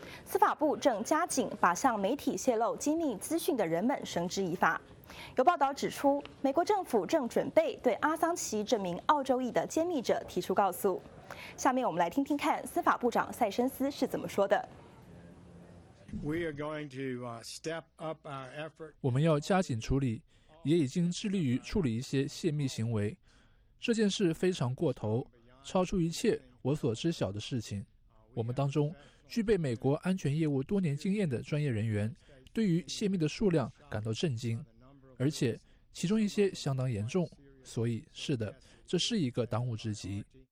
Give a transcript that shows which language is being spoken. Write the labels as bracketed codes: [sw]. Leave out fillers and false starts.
[zh] 司法部正加紧把向媒体泄露机密资讯的人们绳之以法。有报道指出，美国政府正准备对阿桑奇这名澳洲裔的揭秘者提出告诉。下面我们来听听看司法部长塞申斯是怎么说的。 [en] We are going to step up our effort. [zh] 我们要加紧处理，也已经致力于处理一些泄密行为。这件事非常过头，超出一切我所知晓的事情。我们当中具备美国安全业务多年经验的专业人员对于泄密的数量感到震惊，而且其中一些相当严重，所以是的，这是一个当务之急。